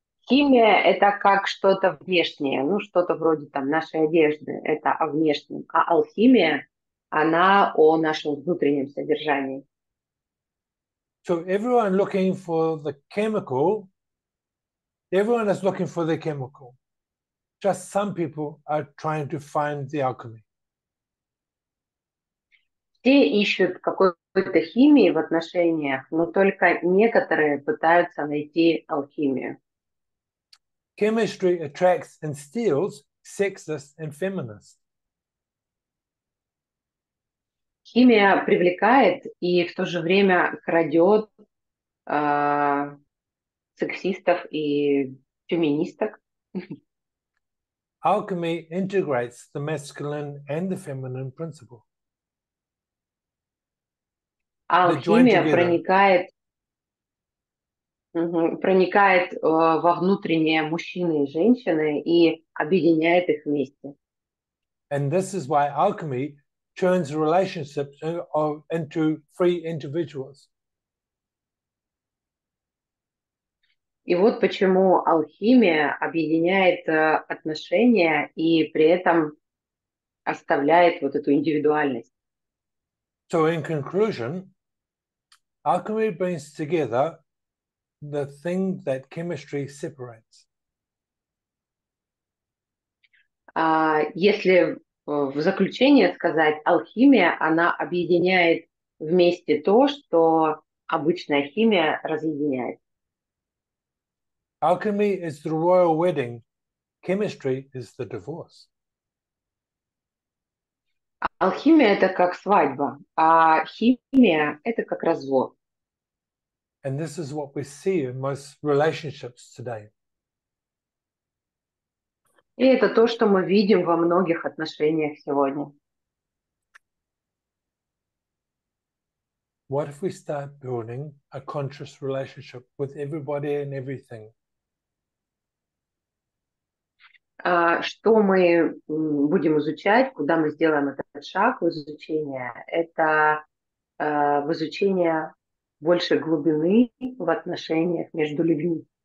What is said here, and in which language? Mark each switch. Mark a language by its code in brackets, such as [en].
[ru] Химия – это как что-то внешнее, ну, что-то вроде там нашей одежды, это о внешнем. А алхимия – она о нашем внутреннем содержании. [en] So everyone looking for the chemical, everyone is looking for the chemical. Just some people are trying to find the alchemy. [ru] Все ищут какой-то химии в отношениях, но только некоторые пытаются найти алхимию. [en] Chemistry attracts and steals sexists and feminists. [ru] Химия привлекает и в то же время крадет сексистов и феминисток. [en] Alchemy integrates the masculine and the feminine principle. [ru] Алхимия проникает. Проникает во внутренние мужчины и женщины и объединяет их вместе. [en] And this is why alchemy turns relationships into free individuals. [ru] И вот почему алхимия объединяет отношения и при этом оставляет вот эту индивидуальность. [en] So in conclusion, alchemy brings together the thing that chemistry separates. [ru] Если в заключение сказать, алхимия, она объединяет вместе то, что обычная химия разъединяет. [en] Alchemy is the royal wedding. Chemistry is the divorce. [ru] Алхимия — это как свадьба, а химия — это как развод. [en] And this is what we see in most relationships today. [ru] И это то, что мы видим во многих отношениях сегодня. [en] What if we start building a conscious relationship with everybody and everything? [ru] Что мы будем изучать, куда мы сделаем этот шаг в изучение, это в изучение больше глубины в отношениях между людьми.